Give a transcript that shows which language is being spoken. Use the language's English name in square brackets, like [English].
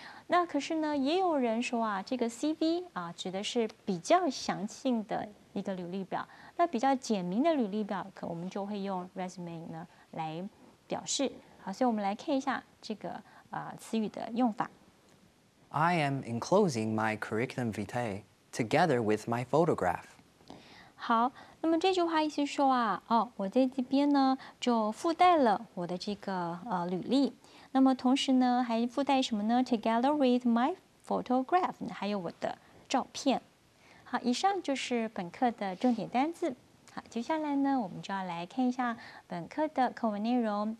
[Chinese] 那可是呢，也有人说啊，这个 CV 啊指的是比较详细的一个履历表。那比较简明的履历表，可我们就会用 resume 呢来表示。好，所以我们来看一下这个词语的用法。 [English] I am enclosing my curriculum vitae together with my photograph. [Chinese] 好，那么这句话意思说啊，哦，我在这边呢就附带了我的这个履历。那么同时呢还附带什么呢 ？ [English] Together with my photograph， [Chinese] 还有我的照片。好，以上就是本课的重点单字。好，接下来呢，我们就要来看一下本课的课文内容。